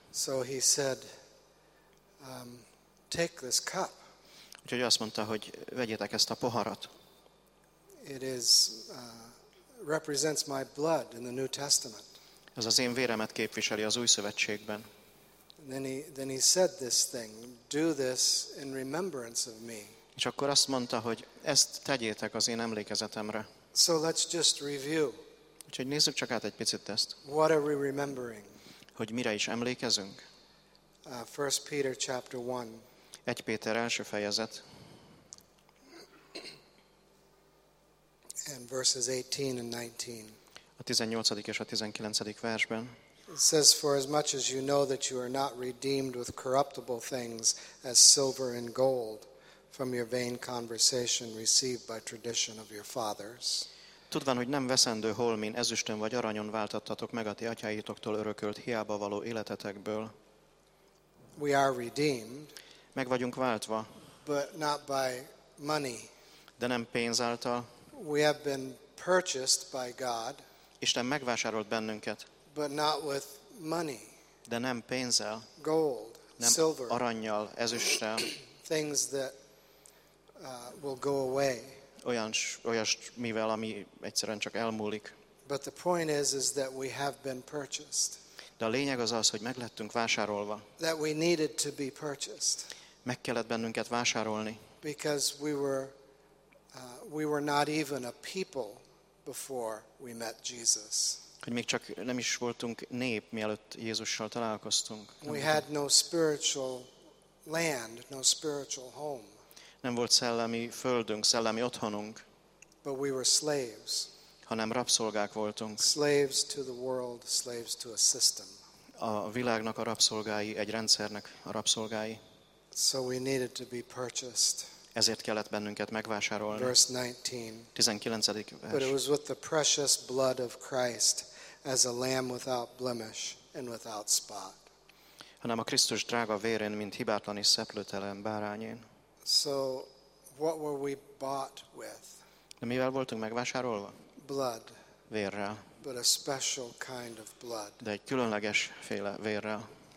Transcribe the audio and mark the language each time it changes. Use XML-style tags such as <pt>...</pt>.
<en>So he said, take this cup.</en> <hu>Úgyhogy azt mondta, hogy vegyétek ezt a poharat.</hu> <en>It is represents my blood in the New Testament.</en> <hu>Ez az én véremet képviseli az Új Szövetségben.</hu> <en>Then he said this thing, do this in remembrance of me.</en> <hu>És akkor azt mondta, hogy ezt tegyétek az én emlékezetemre.</hu> <en>So let's just review.</en> <hu>Úgyhogy nézzük csak át egy picit ezt.</hu> <en>What are we remembering?</en> <hu>Hogy mire is emlékezünk?</hu> <en>1 Peter chapter 1.</en> <hu>1 Péter első fejezet.</hu> <en>And verses 18 and 19.</en> <hu>A 18. és a 19. versben.</hu> <en>It says, for as much as you know that you are not redeemed with corruptible things as silver and gold from your vain conversation received by tradition of your fathers.</en> <hu>Tudván, hogy nem veszendő holmin, ezüstön vagy aranyon váltattatok meg a ti atyáitoktól örökölt hiába való életetekből.</hu> <en>We are redeemed,</en> <hu>meg vagyunk váltva,</hu> <en>but not by money.</en> <hu>De nem pénz által.</hu> <en>We have been purchased by God,</en> <hu>Isten megvásárolt bennünket,</hu> <en>but not with money.</en> <hu>De nem pénzzel,</hu> <en>gold,</en> <hu>nem</hu> <en>silver,</en> <hu>arannyal, ezüsttel.</hu> <en>Things that will go away.</en> <hu>Olyas, mivel ami egyszerűen csak elmúlik.</hu> <en>But the point is that we have been purchased.</en> <hu>De a lényeg az, hogy meg lettünk vásárolva.</hu> <en>That we needed to be purchased.</en> <hu>Meg kellett bennünket vásárolni.</hu> <en>Because we were not even a people before we met Jesus.</en> <hu>Hogy még csak nem is voltunk nép, mielőtt Jézussal találkoztunk.</hu> <en>We had no spiritual land, no spiritual home.</en> <hu>Nem volt szellemi földünk, szellemi otthonunk,</hu> <en>but we were slaves,</en> <hu>hanem rabszolgák voltunk.</hu> <en>Slaves to the world, slaves to a system.</en> <hu>A világnak a rabszolgái, egy rendszernek a rabszolgái.</hu> <en>So we needed to be purchased.</en> <hu>Ezért kellett bennünket megvásárolni.</hu> <en>Verse 19.</en> <hu>19. vers.</hu> <en>But it was with the precious blood of Christ, as a lamb without blemish and without spot.</en> <hu>Hanem a Krisztus drága vérén, mint hibátlan és szeplőtelen bárányén.</hu> <en>So what were we bought with?</en> <hu>De mivel voltunk megvásárolva?</hu> <en>Blood.</en> <hu>Vérrel.</hu> <en>But a special kind of blood.</en> <hu>De egy különleges féle vérrel.</hu>